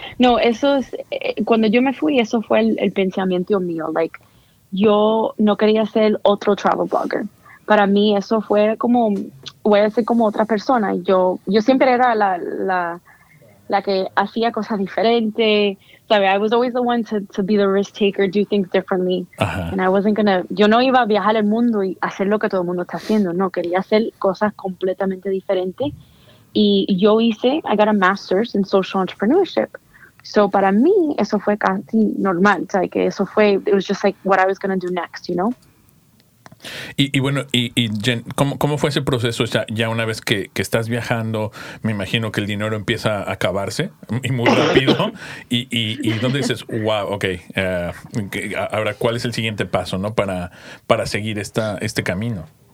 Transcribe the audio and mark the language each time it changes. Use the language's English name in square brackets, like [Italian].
[Spanish] No, eso es, cuando yo me fui, eso fue el pensamiento mío. Like, yo no quería ser otro travel blogger. Para mí eso fue como, voy a ser como otra persona. Yo siempre era la que hacía cosas diferentes. ¿Sabes? [English] I was always the one to be the risk taker, do things differently. Uh-huh. And I wasn't gonna, [Spanish] yo no iba a viajar el mundo y hacer lo que todo el mundo está haciendo. No, quería hacer cosas completamente diferentes. Y yo hice, [English] I got a master's in social entrepreneurship. [Spanish] So para mí eso fue casi normal. ¿Sabes? Que eso fue, [English] it was just like what I was gonna do next, you know? [Spanish] Y bueno, Jen, ¿cómo fue ese proceso ya una vez que estás viajando? Me imagino que el dinero empieza a acabarse y muy rápido. ¿Y dónde dices, wow, ok, ahora cuál es el siguiente paso, ¿no? para seguir este camino?